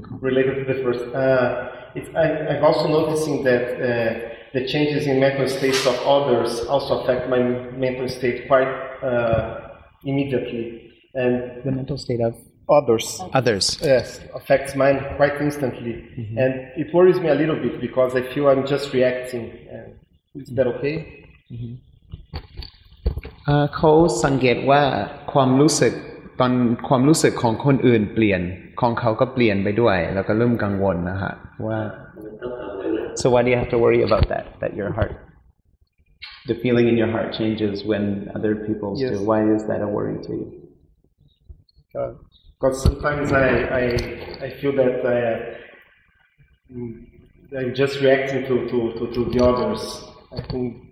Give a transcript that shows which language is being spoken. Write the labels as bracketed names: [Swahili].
[English] related to the first I've also noticing that the changes in mental states of others also affect my mental state quite immediately and the mental state of others yes affects mine quite instantly mm-hmm. and it worries me a little bit because I feel I'm just reacting is that okay [Thai] เขาสังเกตว่าความรู้สึกตอนความรู้สึกของคนอื่นเปลี่ยนของเขาก็เปลี่ยนไปด้วยแล้วก็เริ่มกังวลนะฮะว่า [English] So why do you have to worry about that? That your heart, the feeling in your heart changes when other people yes. do. Why is that a worry to you? Because sometimes I feel that I'm just reacting to the others. I think.